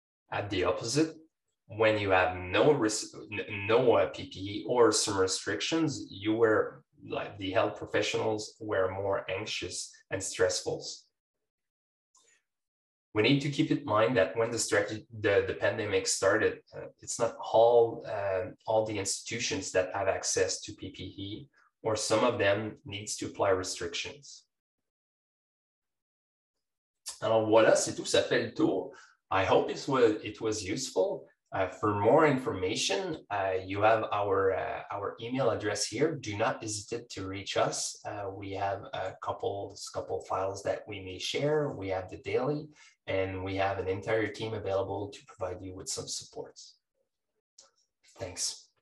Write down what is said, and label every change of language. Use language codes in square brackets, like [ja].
[en] At the opposite, when you have no PPE or some restrictions, you were like the health professionals were more anxious and stressful. We need to keep in mind that when the pandemic started, it's not all the institutions that have access to PPE, or some of them needs to apply restrictions. [fr] Alors voilà, c'est tout, ça fait le tour. [en] I hope it was useful. For more information, you have our email address here. Do not hesitate to reach us. We have a couple files that we may share. We have the daily, and we have an entire team available to provide you with some supports. Thanks.